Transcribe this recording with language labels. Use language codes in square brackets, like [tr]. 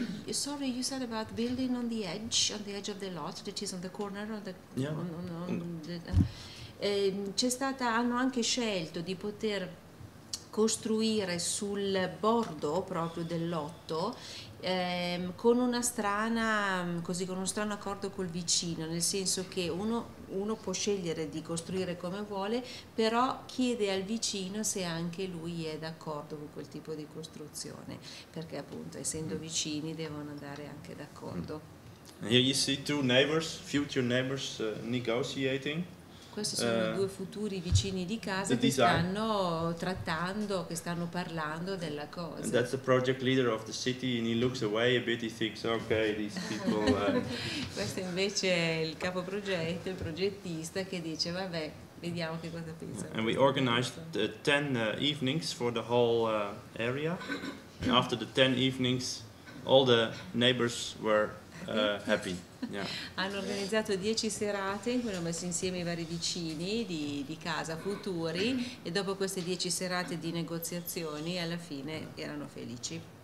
[en] Sorry, you said about building on the edge of the lot, that is on the corner of the. Yeah. [it] Hanno anche scelto di poter costruire sul bordo proprio del lotto, con una strana, così, con uno strano accordo col vicino, nel senso che uno può scegliere di costruire come vuole, però chiede al vicino se anche lui è d'accordo con quel tipo di costruzione, perché appunto, essendo vicini, devono andare anche d'accordo. [en] Here you see two neighbors, future neighbors, negotiating. [it] Questi sono due futuri vicini di casa che stanno trattando, che stanno parlando della cosa. [en] And that's the project leader of the city, and he looks away a bit, he thinks, okay, these people. [it] Questo invece è il capo progetto, il progettista, che dice, vabbè, vediamo che cosa pensa. [en] And we organized 10 evenings for the whole area. And after the 10 evenings, all the neighbors were happy. Yeah. [it] Hanno organizzato 10 serate in cui hanno messo insieme i vari vicini di casa futuri, e dopo queste 10 serate di negoziazioni alla fine erano felici.